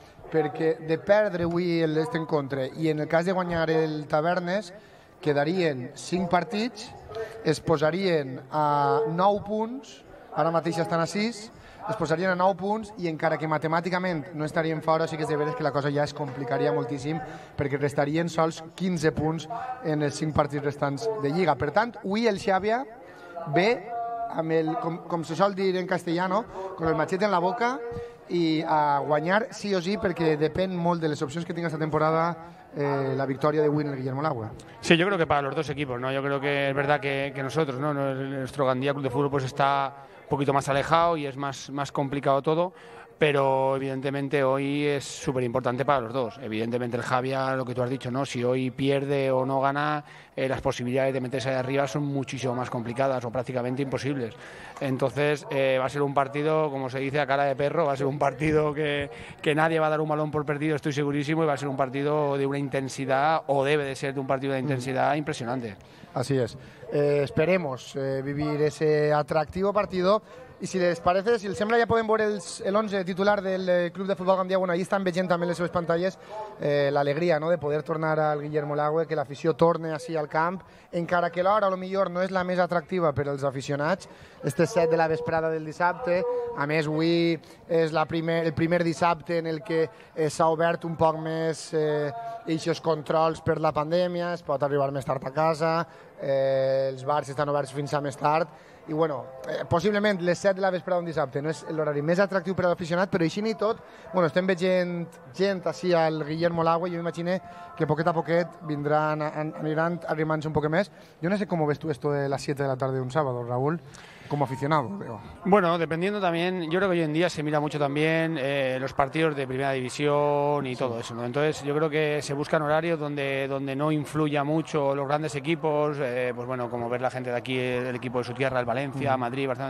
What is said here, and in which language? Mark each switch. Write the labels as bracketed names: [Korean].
[Catalan] perquè de perdre avui aquest encontre i en el cas de guanyar el Tavernes quedarien 5 partits, es posarien a 9 punts, ara mateix estan a 6, es posarien a 9 punts i encara que matemàticament no estarien fora, sí que és de veres que la cosa ja es complicaria moltíssim perquè restarien sols 15 punts en els 5 partits restants de Lliga. Per tant, avui el Xàbia ve amb el, com se sol dir en castellano, [Spanish] con el machete en la boca [Catalan] i a guanyar sí o sí, perquè depèn molt de les opcions que tinga esta temporada la victoria de Winner Guillermo Lagüe. [Spanish] Sí, yo creo que para los dos equipos, ¿no? Yo creo que es verdad que nosotros, ¿no? Nuestro Gandia Club de Fútbol pues está un poquito más alejado y es más complicado todo, pero evidentemente hoy es súper importante para los dos. Evidentemente el Xàbia, lo que tú has dicho, ¿no? Si hoy pierde o no gana, las posibilidades de meterse ahí arriba son muchísimo más complicadas o prácticamente imposibles. Entonces va a ser un partido, como se dice, a cara de perro, va a ser un partido que nadie va a dar un balón por perdido, estoy segurísimo, y va a ser un partido de una intensidad, o debe de ser de un partido de intensidad impresionante. Así es. Esperemos vivir ese atractivo partido [Catalan] I si les parece, si els sembla, ja podem veure el 11 titular del Club de Futbol Gandia. Bueno, [Spanish] ahí están [Catalan] veient també les seves pantalles l'alegria, no?, de poder tornar al Guillermo Lagüe, que l'afició torne així al camp, encara que l'hora, a lo millor, no és la més atractiva per als aficionats. Este 7 de la vesprada del dissabte, a més, avui és el primer dissabte en el que s'ha obert un poc més eixos controls per la pandèmia, es pot arribar més tard a casa, els bars estan oberts fins a més tard. I bueno, possiblement les 7 de la vesprada un dissabte no és l'horari més atractiu per a l'aficionat, però així ni tot, bueno, estem veient gent així al Guillermo Lagüe, jo m'imagino que poquet a poquet vindran, aniran arrimant-se un poc més. Jo no sé com ves tu esto de les 7 de la tarda d'un sábado, Raúl. [Spanish] Como aficionado, creo. Bueno, dependiendo también, yo creo que hoy en día se mira mucho también los partidos de primera división y sí, todo eso, ¿no? Entonces, yo creo que se buscan horarios donde no influya mucho los grandes equipos, pues bueno, como ver la gente de aquí, el equipo de su tierra, el Valencia, uh-huh, Madrid, Barcelona.